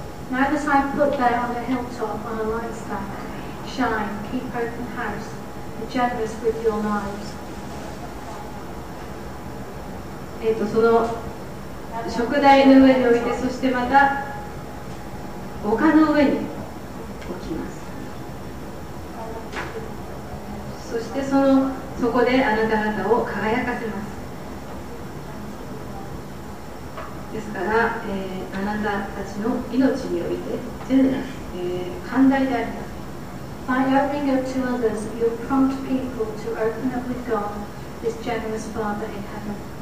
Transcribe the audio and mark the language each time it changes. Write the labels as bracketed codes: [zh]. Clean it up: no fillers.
[en] Now that I put there on a hilltop on a light stand, shine, keep open house, be generous with your knives. [ja] その食台の上に置いて、そしてまた丘の上に置きます。そしてそこであなた方を輝かせます。ですから、あなたたちの命において全然、寛大であります。 [en] By opening up to others, you prompt people to open up with God, this generous Father in heaven.